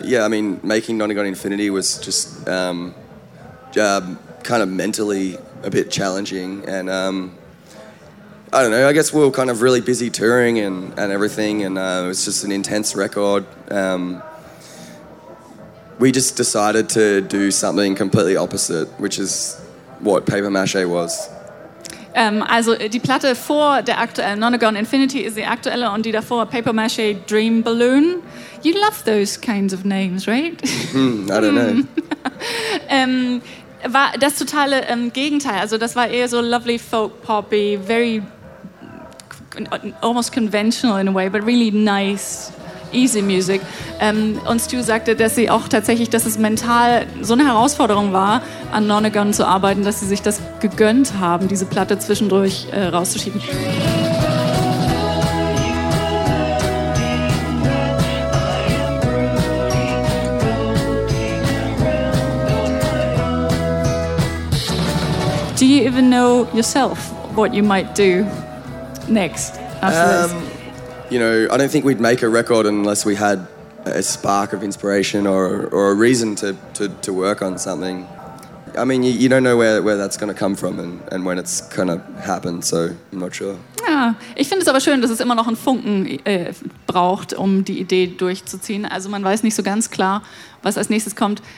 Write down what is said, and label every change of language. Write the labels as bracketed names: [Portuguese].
[English] I mean, making Nonagon Infinity was just kind of mentally a bit challenging, and I don't know. I guess we were kind of really busy touring and everything, and it was just an intense record. We just decided to do something completely opposite, which is what Papier-Mâché was. [German] Also die Platte vor der aktuellen Nonagon Infinity ist die aktuelle und die davor Papier-Mâché Dream Balloon. [English] You love those kinds of names, right? I don't know. [German] War das totale Gegenteil. Also das war eher so [English] lovely folk poppy, very almost conventional in a way, but really nice. Easy Music. [German] Und Stu sagte, dass sie auch tatsächlich, dass es mental so eine Herausforderung war, an Nonagon zu arbeiten, dass sie sich das gegönnt haben, diese Platte zwischendurch rauszuschieben. [English] Do you even know yourself what you might do next after this? You know, I don't think we'd make a record unless we had a spark of inspiration or a reason to work on something. I mean, you don't know where that's going to come from and when it's going to happen, so I'm not sure. [German] Ja, ich finde es aber schön, dass es immer noch einen Funken braucht, um die Idee durchzuziehen. Also man weiß nicht so ganz klar, was als nächstes kommt.